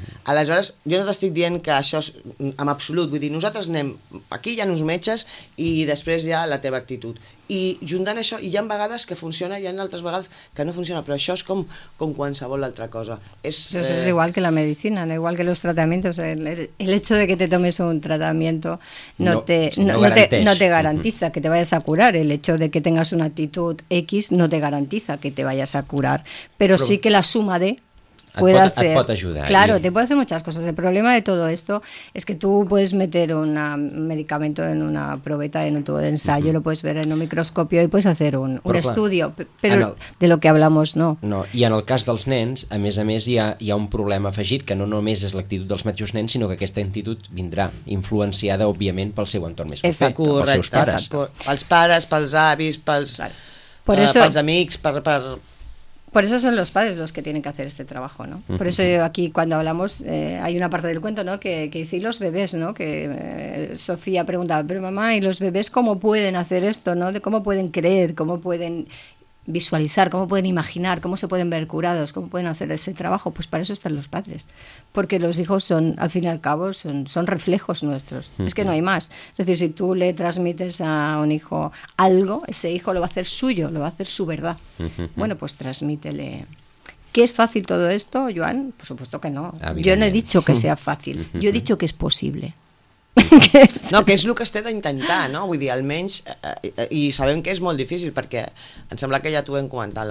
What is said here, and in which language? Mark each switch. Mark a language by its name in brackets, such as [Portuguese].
[Catalan] Aleshores, jo no t'estic dient que això és en absolut. Vull dir, nosaltres anem, aquí hi ha uns metges i després hi ha la teva actitud. I juntant això, hi ha vegades que funciona, hi ha altres vegades que no funciona, però això és com qualsevol altra cosa. És igual que la medicina, igual que els tractaments. [Spanish] El hecho de que te tomes un tratamiento no te garantiza que te vayas a curar. El hecho de que tengas una actitud X no te garantiza que te vayas a curar. Pero sí que la suma de... [Catalan] Et pot ajudar. [Spanish] Claro, te puede hacer muchas cosas. El problema de todo esto es que tú puedes meter un medicamento en una probeta, en un tubo de ensayo, lo puedes ver en un microscopio y puedes hacer un estudio, pero de lo que hablamos no. [Catalan] No, i en el cas dels nens, a més hi ha un problema afegit, que no només és l'actitud dels mateixos nens, sinó que aquesta actitud vindrà influenciada, òbviament, pel seu entorn més proper, pels seus pares. Pels pares, pels avis, pels amics, per... [Spanish] Por eso son los padres los que tienen que hacer este trabajo, ¿no? Por eso aquí cuando hablamos, hay una parte del cuento, ¿no? Que dice, y los bebés, ¿no? Que Sofía preguntaba, pero mamá, ¿y los bebés cómo pueden hacer esto, ¿no? ¿Cómo pueden creer? ¿Cómo pueden...? visualizar, cómo pueden imaginar, cómo se pueden ver curados, cómo pueden hacer ese trabajo, pues para eso están los padres, porque los hijos son, al fin y al cabo, son reflejos nuestros, es que no hay más. Es decir, si tú le transmites a un hijo algo, ese hijo lo va a hacer suyo, lo va a hacer su verdad. Bueno, pues transmítele. ¿Qué es fácil todo esto, Joan? Por supuesto que no. Yo no he dicho que sea fácil, yo he dicho que es posible. [Catalan] No, que és el que es té d'intentar, no? Vull dir, almenys, i sabem que és molt difícil, perquè em sembla que ja t'ho hem comentat.